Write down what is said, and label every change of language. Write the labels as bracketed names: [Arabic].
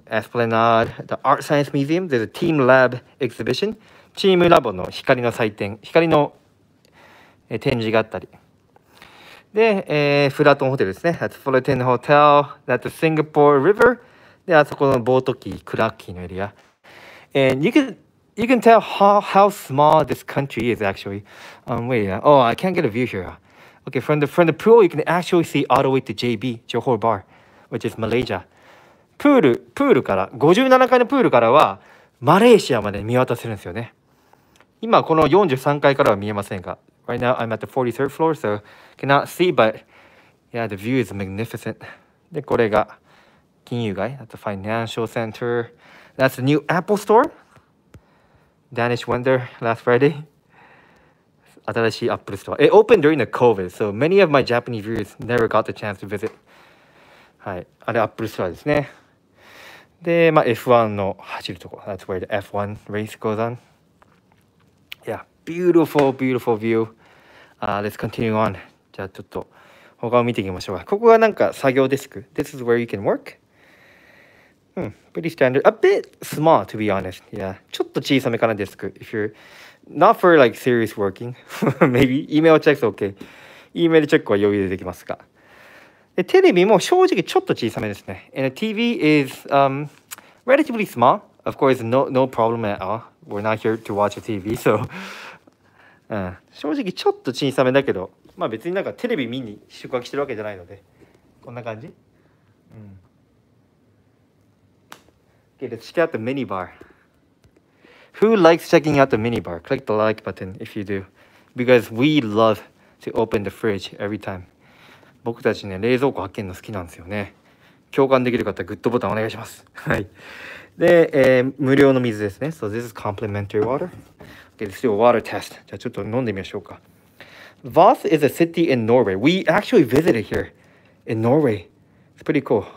[English] The Art Science Museum. There's a Team Lab Exhibition. [Japanese] チームラボの光の祭典、光の展示があったり。で、フラトンホテルですね。 [English] That's Fullerton Hotel. That's the Singapore River. [Japanese] で、あそこのボートキー、クラッキーのエリア。 [English] And you can tell how small this country is actually. I can't get a view here. Okay, from the pool, you can actually see all the way to JB, Johor Bar, which is Malaysia. [Japanese] プールから、57階のプールからは、マレーシアまで見渡せるんですよね。今、この43階からは見えませんが。 [English] Right now, I'm at the 43rd floor, so cannot see, but yeah, the view is magnificent. [Japanese] で、これが金融街。 [English] That's the financial center. That's the new Apple store. Danish Wonder last Friday. [Japanese] 新しい Apple store. [English] It opened during the COVID, so many of my Japanese viewers never got the chance to visit. [Japanese] はい。あれ、Apple store ですね。で、まあ、F1 の走るとこ。 [English] That's where the F1 race goes on. Yeah.Beautiful, beautiful view. Let's continue on. [Japanese] じゃあちょっと他を見ていきましょう。ここがなんか作業デスク。 [English] This is where you can work. Pretty standard. A bit small, to be honest. Yeah. [Japanese] ちょっと小さめかな、デスク。 [English] If you're not for like serious working. Maybe. Email checks, okay. [Japanese] Email check は余裕でできますが。で、テレビも正直ちょっと小さめですね。 [English] And the TV is relatively small. Of course, no problem at all. We're not here to watch a TV, so... [Japanese] うん、正直ちょっと小さめだけど、まあ別になんかテレビ見に宿泊してるわけじゃないので、こんな感じ、うん、 [English] Okay, let's check out the mini bar. Who likes checking out the mini bar? Click the like button if you do. Because we love to open the fridge every time. [Japanese] 僕たちね、冷蔵庫開けるの好きなんですよね。共感できる方はグッドボタンお願いします。はい。で、無料の水ですね。 [English] So this is complimentary water. Let's do a water test. [Japanese] じゃあちょっと飲んでみましょうか。 [English] Voss is a city in Norway. We actually visited here in Norway. It's pretty cool.